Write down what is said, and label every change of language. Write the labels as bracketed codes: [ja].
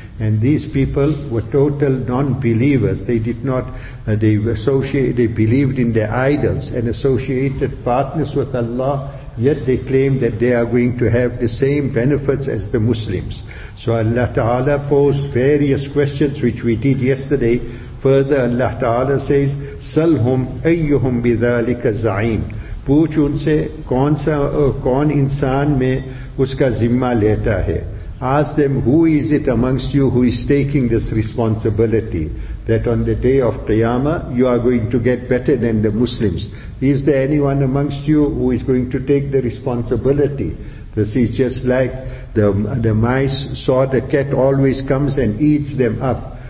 [en] And these people were total non-believers. They did not, they believed in their idols and associated partners with Allah. Yet they claim that they are going to have the same benefits as the Muslims. So Allah Ta'ala posed various questions which we did yesterday. Further Allah Ta'ala says, [ar] سَلْهُمْ أَيُّهُمْ بِذَلِكَ زَعِيمٌ. [ur] پوچھ ان سے کون سا کون انسان میں اس کا ذمہ لیتا ہے. [en] Ask them, who is it amongst you who is taking this responsibility that on the day of Qiyamah you are going to get better than the Muslims? Is there anyone amongst you who is going to take the responsibility? This is just like the mice saw the cat always comes and eats them up.